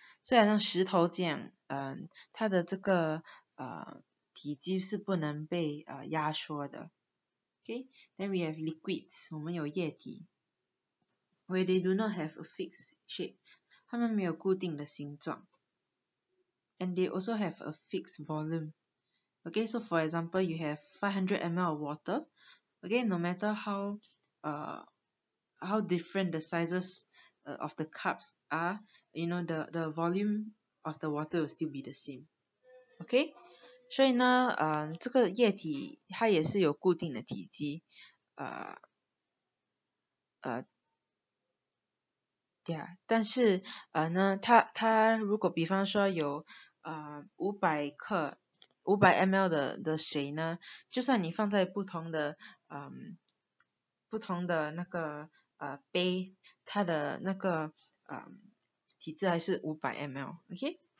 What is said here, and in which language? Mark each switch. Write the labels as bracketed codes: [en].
[zh] 所以好像石头这样，它的这个体积是不能被压缩的。 [en] Okay. Then we have liquids. [zh] 我们有液体。 [en] Where they do not have a fixed shape. [zh] 它们没有固定的形状。 [en] And they also have a fixed volume. Okay. So for example, you have 500 ml of water. Okay. No matter how different the sizes of the cups are, you know, the volume of the water will still be the same. Okay? [zh] 所以呢，这个液体它也是有固定的体积，yeah, 但是呢，它如果比方说有500 ml 的水呢，就算你放在不同的那个杯，它的那个体积还是500 ml， OK?